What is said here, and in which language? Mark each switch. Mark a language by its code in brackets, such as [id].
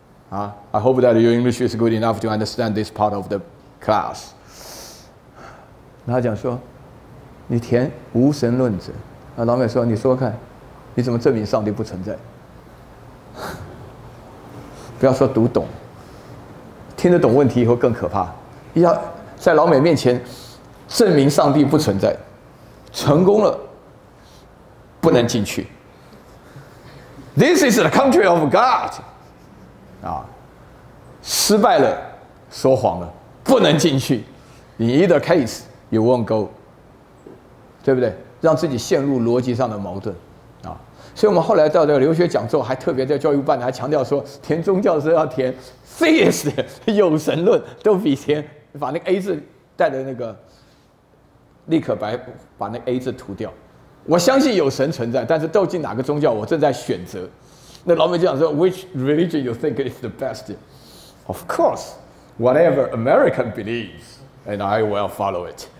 [en] 啊 ，I hope that your English is good enough to understand this part of the class。 [zh] 他讲说，你填无神论者，啊，老美说，你说看，你怎么证明上帝不存在？不要说读懂，听得懂问题以后更可怕。要在老美面前证明上帝不存在，成功了不能进去。 [en] This is the country of God。 [zh] 啊，失败了，说谎了，不能进去。 [en] In either case, you won't go。 [zh] 对不对？让自己陷入逻辑上的矛盾。所以我们后来到这个留学讲座，还特别在教育办还强调说，填宗教是要填 theist 有神论，都比填把那个 A 字带的那个立可白把那个 A 字涂掉。我相信有神存在，但是斗进哪个宗教我正在选择。那老美就讲说 [en] ，Which religion you think is the best? Of course, whatever American believes, and I will follow it.